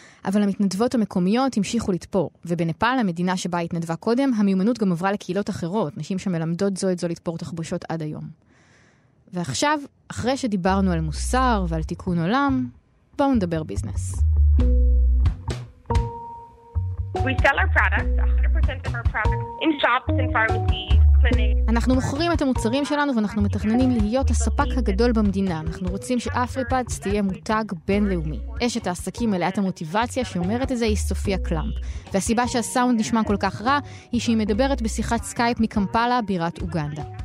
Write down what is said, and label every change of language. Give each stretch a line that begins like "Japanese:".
Hebrew: אבל המתנדבות המקומיות המשיכו לתפור, ובנפאל, המדינה שבה התנדבה קודם, המיומנות גם עברה לקהילות אחרות, נשים שמלמדות זו את זו לתפור תחבושות עד היום. ועכשיו, אחרי שדיברנו על מוסר ועל תיקון עולם, בואו נדבר ביזנס.
English: We sell our products, 100% of our products, in shops and pharmacies, clinics.
Hebrew: אנחנו מוכרים את המוצרים שלנו ואנחנו מתכננים להיות הספק הגדול במדינה. אנחנו רוצים שאפריפאדס תהיה מותג בינלאומי. אשת העסקים מלאת המוטיבציה שאומרת את זה היא סופיה קלאמפ. והסיבה שהסאונד נשמע כל כך רע היא שהיא מדברת בשיחת סקייפ מקמפלה, בירת אוגנדה.